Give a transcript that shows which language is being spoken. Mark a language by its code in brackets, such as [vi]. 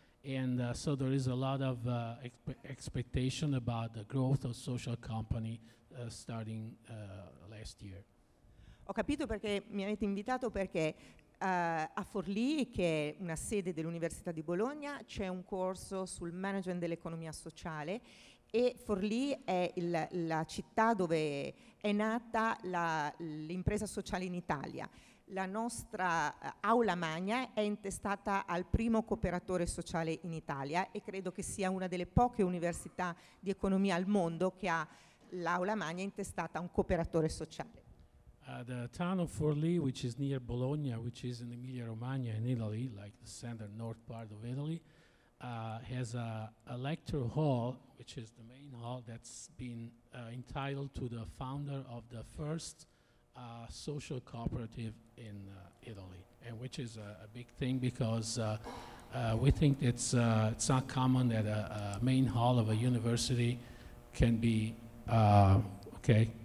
[en] And so there is a lot of expectation about the growth of social company starting last year. [it] Ho capito perché mi avete invitato, perché a Forlì, che è una sede dell'Università di Bologna, c'è un corso sul management dell'economia sociale, e Forlì è la città dove è nata l'impresa sociale in Italia. La nostra aula magna è intestata al primo cooperatore sociale in Italia e credo che sia una delle poche università di economia al mondo che ha l'aula magna intestata a un cooperatore sociale. [en] The town of Forlì, which is near Bologna, which is in Emilia-Romagna in Italy, like the center north part of Italy, has a lecture hall, which is the main hall that's been entitled to the founder of the first social cooperative in Italy, and which is a big thing because we think it's not common that a main hall of a university can be okay.